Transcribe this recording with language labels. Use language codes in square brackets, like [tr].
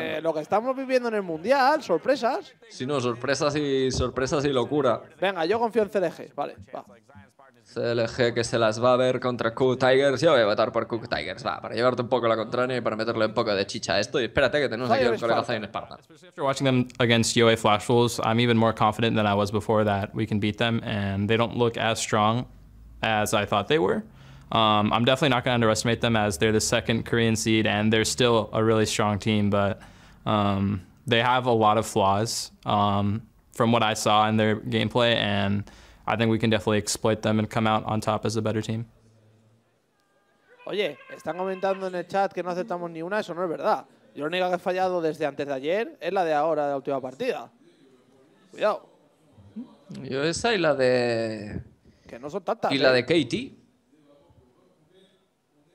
[es] Pues lo que estamos viviendo en el mundial, sorpresas. Sí, no, sorpresas y locura. Venga, yo confío en CLG, vale, va. CLG que se las va a ver contra Q Tigers. Yo voy a votar por Q Tigers, va, para llevarte un poco la contraria y para meterle un poco de chicha a esto. Y espérate que tenemos aquí un colega Zayn Esparta. [en] After watching them against UA Flash Wolves, I'm even more confident than I was before that we can beat them, and they don't look as strong as I thought they were. I'm definitely not going to underestimate them, as they're the second Korean seed and they're still a really strong team, but they have a lot of flaws from what I saw in their gameplay, and I think we can definitely exploit them and come out on top as a better team. [es] Oye, están comentando en el chat que no aceptamos ni una, eso no es verdad. Yo lo único que he fallado desde antes de ayer es la de ahora, de la última partida. Cuidado. Yo esa y la de... Que no son tantas. Y la de KT.